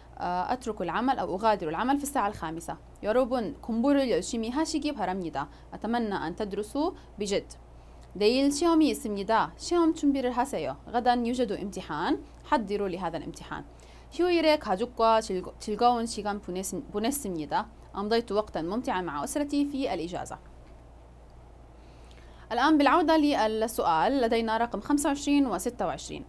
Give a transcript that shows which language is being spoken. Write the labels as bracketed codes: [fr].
[ar] أترك العمل أو أغادر العمل في الساعة الخامسة. [ko] 여러분 공부를 열심히 하시기 바랍니다. [ar] أتمنى أن تدرسوا بجد. [ko] 내일 시험이 있습니다. 시험 준비를 하세요. [ar] 가단 يوجد امتحان. حضروا لهذا الامتحان. [ko] 휴일에 가족과 즐거운 시간 보냈습니다. [ar] أمضيت وقتا ممتعا مع أسرتي في الإجازة. الآن بالعودة للسؤال، لدينا رقم 25 و 26.